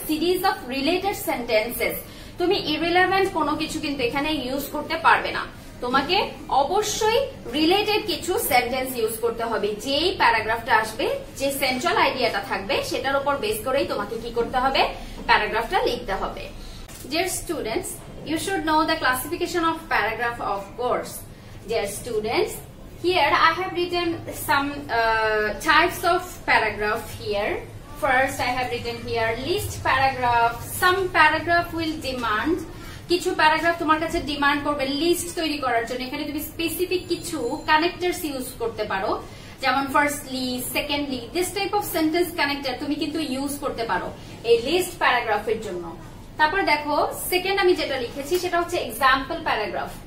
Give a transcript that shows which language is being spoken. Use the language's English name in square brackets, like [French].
[Bangla] Series of related sentences, তুমি irrelevant কোনো কিছু কিন্তু এখানে ইউজ করতে পারবে না, তোমাকে অবশ্যই রিলেটেড কিছু সেন্টেন্স ইউজ করতে হবে। যেই প্যারাগ্রাফটা আসবে, যে সেন্ট্রাল আইডিয়াটা থাকবে, সেটার উপর বেস করেই তোমাকে কি করতে হবে, প্যারাগ্রাফটা লিখতে হবে। [English] Dear students, you should know the classification of paragraph of course. Dear students, here I have written some types of paragraph here. First, I have written here list paragraph. Some paragraph will demand. [Bangla] কিছু paragraph তোমার কাছে demand করবে list তৈরি করার জন্য। এখানে তুমি specific কিছু কানেক্টার্স ইউজ করতে পারো, যেমন firstly, secondly, [English] this type of sentence connector [Bangla] তুমি কিন্তু ইউজ করতে পারো এই লিস্ট প্যারাগ্রাফের জন্য। তারপর দেখো, সেকেন্ড আমি যেটা লিখেছি সেটা হচ্ছে এক্সাম্পল প্যারাগ্রাফ।